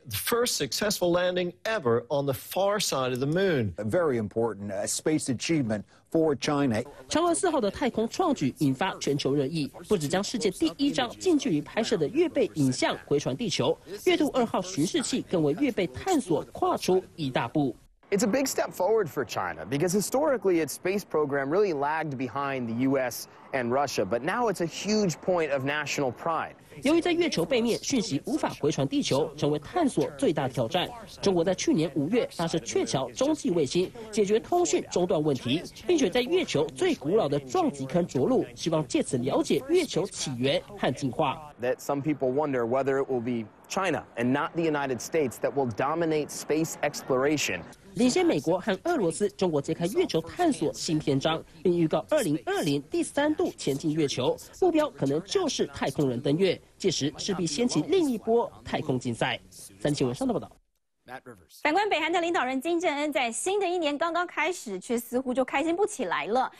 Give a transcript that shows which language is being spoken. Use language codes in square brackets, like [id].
[en] ，the first successful landing ever on the far side of the moon，a very important space achievement for China。 [zh] 嫦娥四号的太空创举引发全球热议，不只将世界第一张近距离拍摄的月背影像回传地球，月兔二号巡视器更为月背探索跨出一大步。 [en] It's a big step forward for China because historically its space program really lagged behind the U.S. and Russia, but now it's a huge point of national pride. [zh] 由于在月球背面讯息无法回传地球，成为探索最大挑战。中国在去年5月发射鹊桥中继卫星，解决通讯中断问题，并且在月球最古老的撞击坑着陆，希望借此了解月球起源和进化。 [en] That some people wonder whether it will be China and not the United States that will dominate space exploration. [zh] 领先美国和俄罗斯，中国揭开月球探索新篇章，并预告2020第三度前进月球，目标可能就是太空人登月，届时势必掀起另一波太空竞赛。三立新闻上的报道。反观北韩的领导人金正恩，在新的一年刚刚开始，却似乎就开心不起来了。